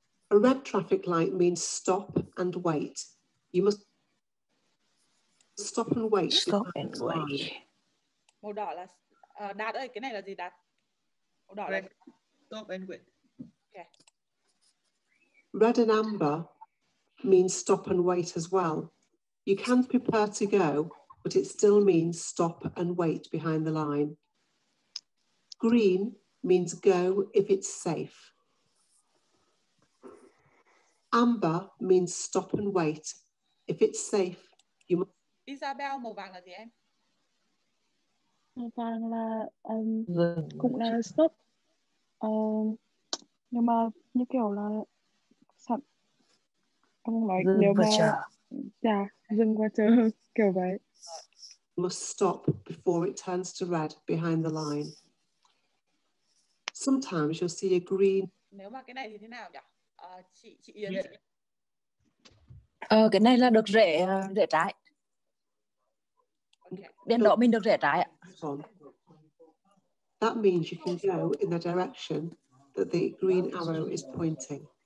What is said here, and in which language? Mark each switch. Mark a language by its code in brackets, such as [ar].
[en] A red traffic light means stop and wait. You must stop and wait. Stop and wait. [vi] Màu đỏ là Đạt ơi, cái này là gì Đạt? Màu đỏ [en] red. Stop and wait. Okay. Red and amber means stop and wait as well. You can prepare to go, but it still means stop and wait behind the line. Green means go if it's safe. Amber means stop and wait. If it's safe, [vi] Isabel, màu vàng là gì em? Màu vàng là cũng là stop. Nhưng mà như kiểu là sẵn không nói nếu mà dừng qua chờ kiểu vậy. [en] Must stop before it turns to red behind the line. Sometimes you'll see a green. [vi] Nếu mà cái này thì thế nào nhỉ? Chị Yến. Cái này là được rẽ rẽ trái. [en] Okay. [vi] Đèn đỏ mình được rẽ trái ạ. [en] That means you can go in the direction that the green arrow is pointing.